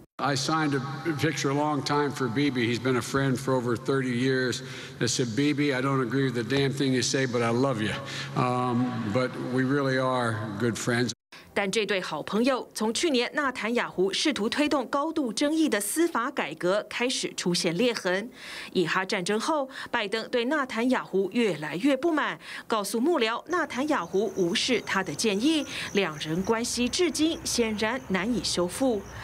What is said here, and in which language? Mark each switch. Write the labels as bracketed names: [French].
[English] I signed a picture a long time for Bibi. He's been a friend for over 30 years. I said, Bibi, I don't agree with the damn thing you say, but I love you. But we really are good friends. [Chinese] 但这对好朋友从去年纳坦雅胡试图推动高度争议的司法改革开始出现裂痕。以哈战争后，拜登对纳坦雅胡越来越不满，告诉幕僚纳坦雅胡无视他的建议，两人关系至今显然难以修复。